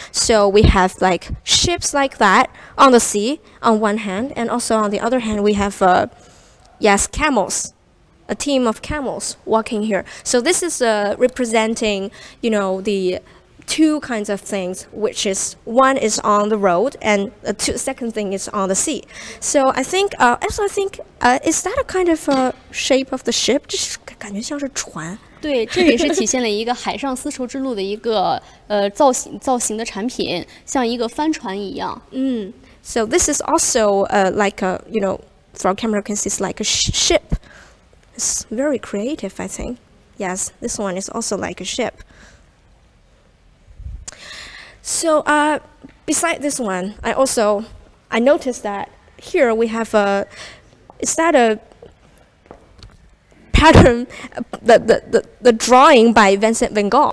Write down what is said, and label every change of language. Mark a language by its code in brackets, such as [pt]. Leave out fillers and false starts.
[en] So we have like ships like that on the sea on one hand, and also on the other hand, we have, yes, camels, a team of camels walking here. So this is representing, you know, the two kinds of things, which is one is on the road and the second thing is on the sea. So I think, is that a kind of shape of the ship? [zh] 感觉像是船。对, 这也是体现了一个海上丝绸之路的一个 造型的产品, 像一个帆船一样。 [en] So this is also like a, you know, for camera can see it's like a ship. It's very creative, I think. Yes, this one is also like a ship. So beside this one, I noticed that here we have a, is that a pattern, the drawing by Vincent van Gogh.